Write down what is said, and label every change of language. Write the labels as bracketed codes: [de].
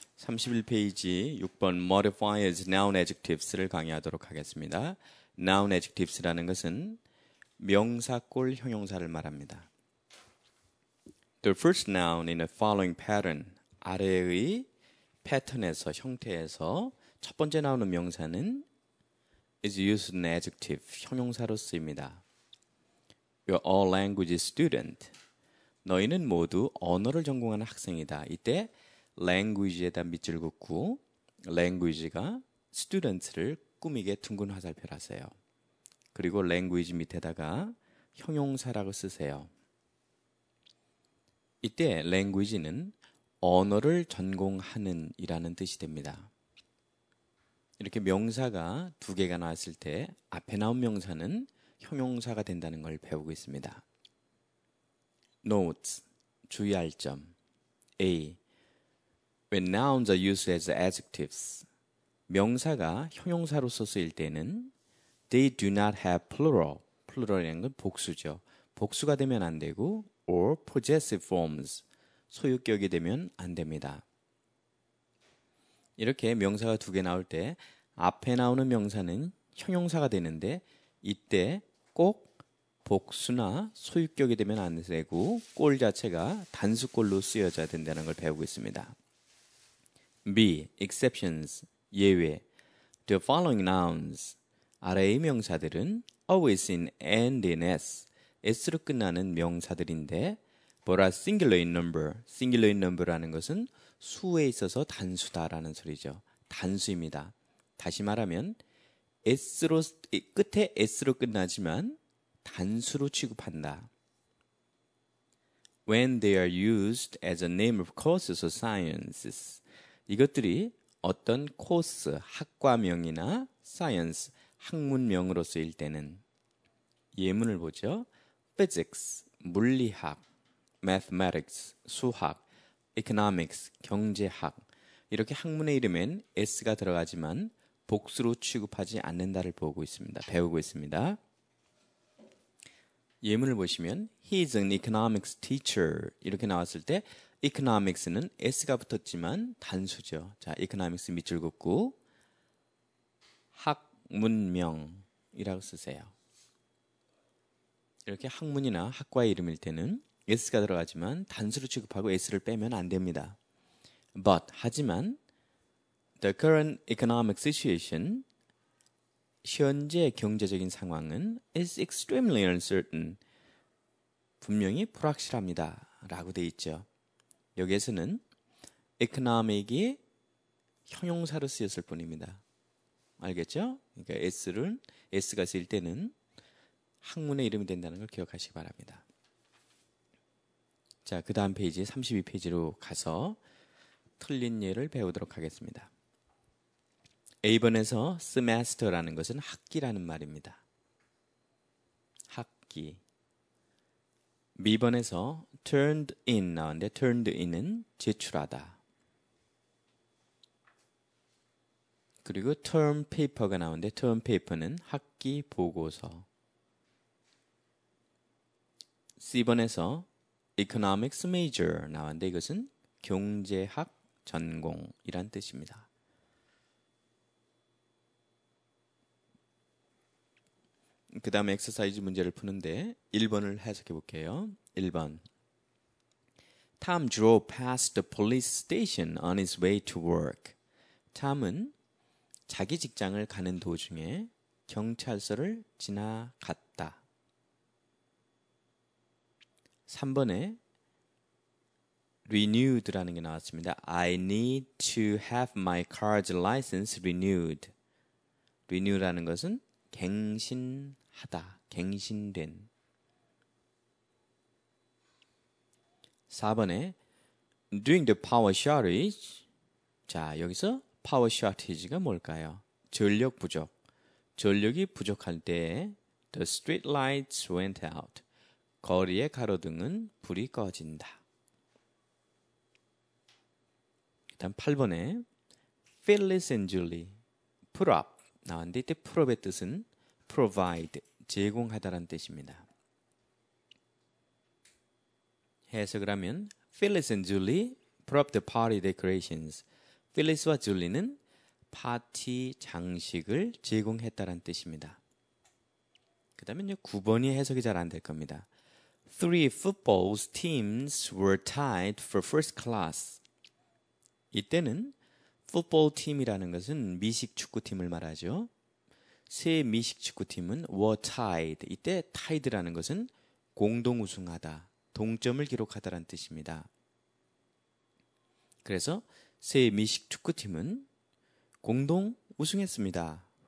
[ko] 31페이지 6번 Modifiers, Noun Adjectives를 강의하도록 하겠습니다. Noun Adjectives라는 것은 명사꼴 형용사를 말합니다. [en] The first noun in the following pattern, [ko] 아래의 패턴에서, 형태에서 첫 번째 나오는 명사는 [en] is used in adjective, [ko] 형용사로 쓰입니다. [en] You're all language student. [ko] 너희는 모두 언어를 전공하는 학생이다. 이때 language에다 밑줄 긋고 language가 student를 꾸미게 둥근 화살표라세요. 그리고 language 밑에다가 형용사라고 쓰세요. 이때 language는 언어를 전공하는 이라는 뜻이 됩니다. 이렇게 명사가 두 개가 나왔을 때 앞에 나온 명사는 형용사가 된다는 걸 배우고 있습니다. Notes, 주의할 점. A. [en] When nouns are used as adjectives, [ko] 명사가 형용사로서 쓰일 때는 [en] they do not have plural. [ko] plural이라는 건 복수죠. 복수가 되면 안 되고 [en] or possessive forms, [ko] 소유격이 되면 안 됩니다. 이렇게 명사가 두 개 나올 때 앞에 나오는 명사는 형용사가 되는데 이때 꼭 복수나 소유격이 되면 안 되고 꼴 자체가 단수꼴로 쓰여져야 된다는 걸 배우고 있습니다. [en] B. Exceptions. [ko] 예외. [en] The following nouns. [ko] 아래의 명사들은 [en] always in and in s. [ko] s로 끝나는 명사들인데 [en] but a singular in number. singular in number [ko] 라는 것은 수에 있어서 단수다라는 소리죠. 단수입니다. 다시 말하면 s로 끝에 s로 끝나지만 단수로 취급한다. [en] When they are used as a name of courses or sciences. [ko] 이것들이 어떤 코스, 학과명이나 science, 학문명으로 쓰일 때는 예문을 보죠. Physics, 물리학, mathematics, 수학, economics, 경제학 이렇게 학문의 이름엔 s가 들어가지만 복수로 취급하지 않는다를 보고 있습니다. 배우고 있습니다. 예문을 보시면 [en] He is an economics teacher [ko] 이렇게 나왔을 때 economics는 s가 붙었지만 단수죠. 자, economics 밑줄 긋고 학문명이라고 쓰세요. 이렇게 학문이나 학과의 이름일 때는 s가 들어가지만 단수로 취급하고 s를 빼면 안 됩니다. [en] But [ko] 하지만 [en] the current economic situation [ko] 현재 경제적인 상황은 [en] is extremely uncertain [ko] 분명히 불확실합니다. 라고 돼 있죠. 여기에서는 economic이 형용사로 쓰였을 뿐입니다. 알겠죠? 그러니까 S가 쓰일 때는 학문의 이름이 된다는 걸 기억하시기 바랍니다. 자, 그 다음 페이지 32페이지로 가서 틀린 예를 배우도록 하겠습니다. A번에서 semester라는 것은 학기라는 말입니다. 학기. B번에서 turned in 나오는데 turned in은 제출하다. 그리고 term paper가 나오는데 term paper는 학기 보고서. C번에서 economics major 나오는데 이것은 경제학 전공이란 뜻입니다. 그 다음에 엑서사이즈 문제를 푸는데 1번을 해석해 볼게요. [en] 1번 Tom drove past the police station on his way to work. [ko] Tom은 자기 직장을 가는 도중에 경찰서를 지나갔다. 3번에 renewed라는 게 나왔습니다. [en] I need to have my car's license renewed. [ko] renew라는 것은 갱신하다, 갱신된. 4번에 [en] during the power shortage [ko] 자, 여기서 power shortage가 뭘까요? 전력 부족. 전력이 부족할 때 [en] the street lights went out. [ko] 거리의 가로등은 불이 꺼진다. 그다음 8번에 [en] Phyllis and Julie put up [ko] 나왔는데 이때 put up의 뜻은 provide, 제공하다라는 뜻입니다. 해석을 하면 [en] Phyllis and Julie put up the party decorations. [ko] 필리스와 줄리는 파티 장식을 제공했다란 뜻입니다. 그 다음에 9번이 해석이 잘 안 될 겁니다. [en] Three football teams were tied for first class. [ko] 이때는 football team이라는 것은 미식축구팀을 말하죠. 세 미식축구팀은 [en] were tied. [ko] 이때 tied라는 것은 공동우승하다, 동점을 기록하다란 뜻입니다. 그래서 세 미식축구팀은 공동 우승했습니다.